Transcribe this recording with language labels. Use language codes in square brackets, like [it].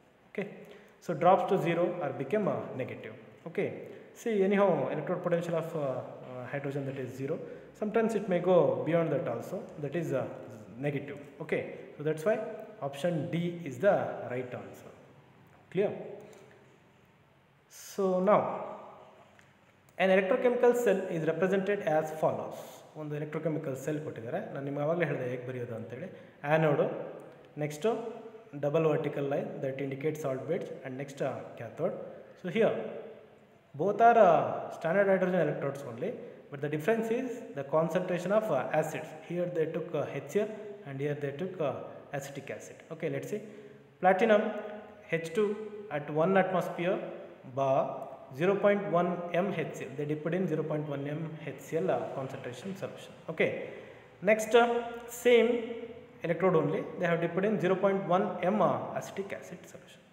[en] Okay, so drops to zero or become negative. Okay, see, anyhow, electrode potential of hydrogen, that is zero, sometimes it may go beyond that also, that is negative. Okay, so that's why option D is the right answer. Clear? So now, an electrochemical cell is represented as follows. [kn] ಒಂದು electrochemical cell ಕೊಟ್ಟಿದ್ದಾರೆ. ನಾನು ನಿಮ್ಗೆ ಆವಾಗಲೇ ಹೇಳಿದೆ ಹೇಗೆ ಬರೆಯೋದು ಅಂತೇಳಿ. ಆ್ಯನೋಡು, next double vertical line, [en] That indicate salt bridge, and next cathode. So here both are standard hydrogen electrodes only, but the difference is the concentration of acids. Here they took H L and here they took acetic acid. Okay, let see. Platinum H two at 1 atmosphere bar 0.1 mHcl, they dipped in 0.1 mHcl concentration solution. Okay, next, same electrode only, they have dipped in 0.1 mA acetic acid solution.